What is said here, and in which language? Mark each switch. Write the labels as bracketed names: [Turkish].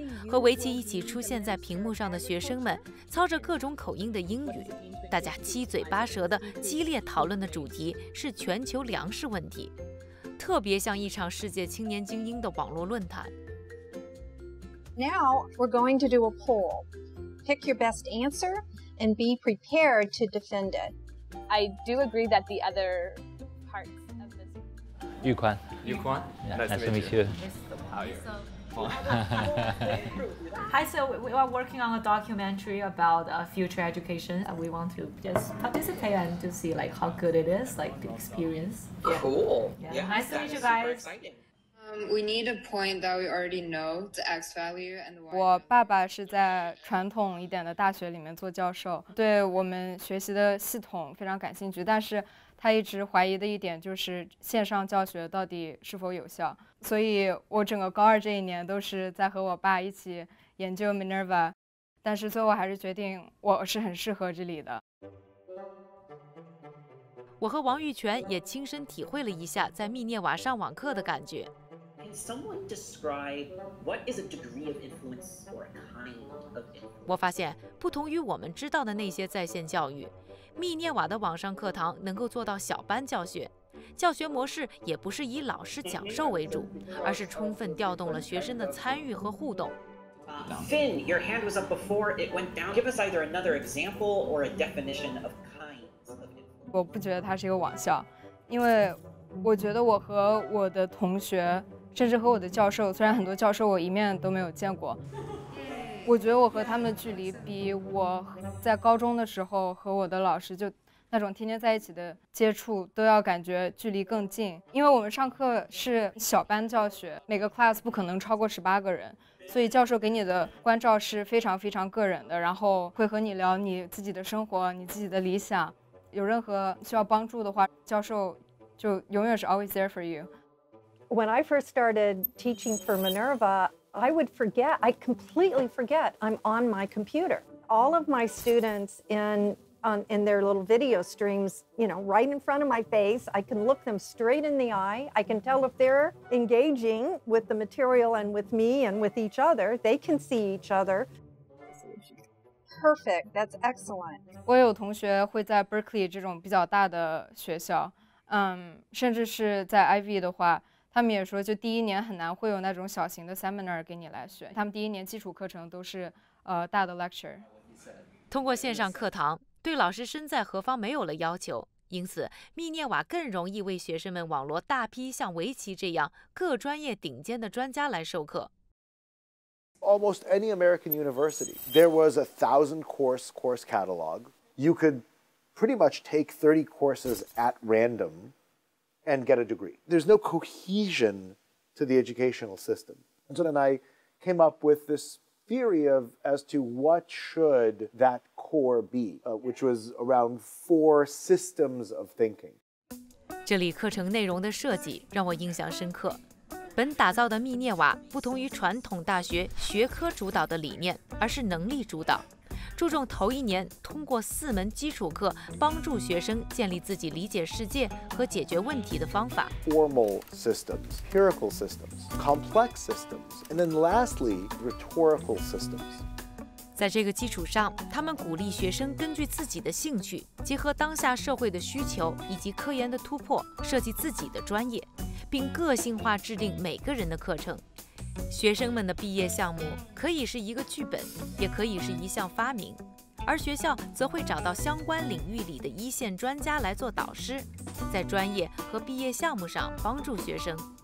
[Chinese] 和维奇一起出现在屏幕上的学生们操着各种口音的英语，大家七嘴八舌的激烈讨论的主题是全球粮食问题，特别像一场世界青年精英的网络论坛。 [English] Now we're going to do a poll. Pick your best answer and be prepared to defend it. I do agree that the other parts of this. [Chinese] 玉宽，玉宽 [English] nice to meet you. How are you? Hi, so we are working on a documentary about future education. We want to just participate and to see like how good it is, like the experience. Cool. Yeah. Yeah. Nice to meet you guys. We need a point that we already know, the X value and the Y. [Chinese] 我爸爸是在传统一点的大学里面做教授，对我们学习的系统非常感兴趣，但是他一直怀疑的一点就是线上教学到底是否有效。所以我整个高二这一年都是在和我爸一起研究 Minerva， 但是最后还是决定我是很适合这里的。我和王玉泉也亲身体会了一下在密涅瓦上网课的感觉。 [English] Can someone describe what is a degree of influence or a kind of influence? [Chinese] 我发现不同于我们知道的那些在线教育，密涅瓦的网上课堂能够做到小班教学，教学模式也不是以老师讲授为主，而是充分调动了学生的参与和互动。 [English] Finn, your hand was up before it went down. Give us either another example or a definition of kinds of. [Chinese] 我不觉得它是一个网校，因为我觉得我和我的同学，甚至和我的教授，虽然很多教授我一面都没有见过。我觉得我和他们的距离比我在高中的时候和我的老师就那种天天在一起的接触都要感觉距离更近，因为我们上课是小班教学，每个 class 不可能超过18个人，所以教授给你的关照是非常非常个人的，然后会和你聊你自己的生活，你自己的理想，有任何需要帮助的话，教授就永远是 [English] always there for you. When I first started teaching for Minerva,I would forget, I completely forget I'm on my computer. All of my students in their little video streams, you know, right in front of my face, I can look them straight in the eye. I can tell if they're engaging with the material and with me and with each other. They can see each other. Perfect, that's excellent. [Chinese] 我有同学会在 Berkeley 这种比较大的学校，甚至是在 Ivy 的话，他们也说就第一年很难会有那种小型的 seminar 给你来选，他们第一年基础课程都是大的 lecture。通过线上课堂，对老师身在何方没有了要求，因此密涅瓦更容易为学生们网罗大批像围棋这样各专业顶尖的专家来授课。 [English] Almost any American university, there was a 1,000-course catalog. You could pretty much take 30 courses at randomand get a degree. There's no cohesion to the educational system. And so then I came up with this theory of as to what should that core be, which was around 4 systems of thinking. [Chinese] 这里课程内容的设计让我印象深刻。本打造的密涅瓦不同于传统大学学科主导的理念，而是能力主导。注重头一年通过四门基础课帮助学生建立自己理解世界和解决问题的方法。 [English] Formal systems, empirical systems, complex systems, and then lastly, rhetorical systems. [Chinese] 在这个基础上，他们鼓励学生根据自己的兴趣，结合当下社会的需求以及科研的突破，设计自己的专业，并个性化制定每个人的课程。学生们的毕业项目可以是一个剧本，也可以是一项发明，而学校则会找到相关领域里的一线专家来做导师，在专业和毕业项目上帮助学生。